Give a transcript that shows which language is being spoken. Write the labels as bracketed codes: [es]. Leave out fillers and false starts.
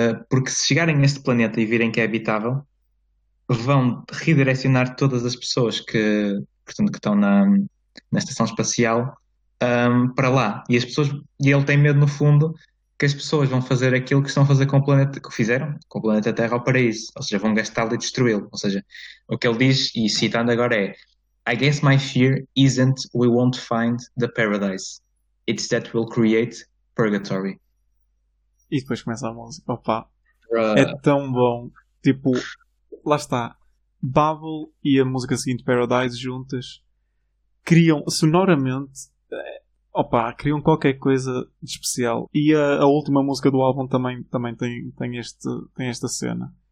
[pt] Porque se chegarem neste planeta e virem que é habitável, vão redirecionar todas as pessoas que, portanto, que estão na estação espacial, para lá. E ele tem medo, no fundo, que as pessoas vão fazer aquilo que estão a fazer com o planeta, que fizeram, com o planeta Terra ao paraíso. Ou seja, vão gastá-lo e destruí-lo. Ou seja, o que ele diz, e citando agora, é: [en] I guess my fear isn't we won't find the paradise. It's that we'll create purgatory. [pt] E depois começa a música, opa, é Bruh. tão bom. Tipo, lá está, Babel e a música seguinte, Paradise, juntas, criam sonoramente, opa, criam qualquer coisa de especial. E a última música do álbum também tem esta cena.